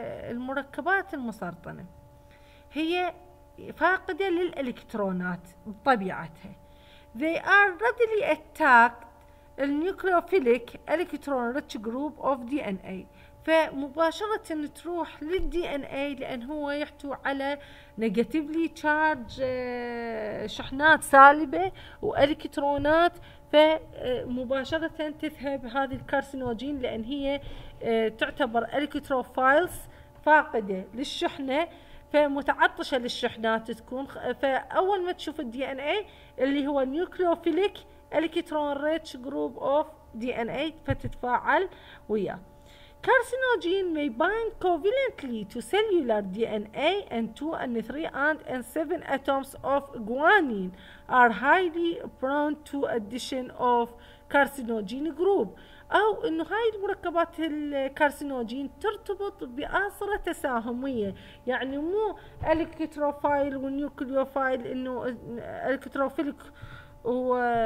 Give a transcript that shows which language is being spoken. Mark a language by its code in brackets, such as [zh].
[ar] المركبات المسرطنة هي فاقدة للإلكترونات بطبيعتها. [en] They are readily attacked the nucleophilic electron rich group of DNA. [ar] فمباشرة تروح للدي ان اي لان هو يحتوي على نيجاتيفلي تشارج شحنات سالبة والكترونات، فمباشرة تذهب هذه الكارسينوجين لان هي تعتبر الكتروفايلز فاقدة للشحنة فمتعطشة للشحنات تكون. فاول ما تشوف الدي ان اي اللي هو [en] nucleophilic electron rich group of the ان اي [ar] فتتفاعل وياه. [en] Carcinogen may bind covalently to cellular DNA and 2 and 3 and 7 atoms of guanine are highly prone to addition of carcinogen group. [ar] أو إنه هاي المركبات الكارسينوجين ترتبط بأصلة تساهمية، يعني مو الكتروفايل ونيوكليوفايل، إنه الكتروفيلك هو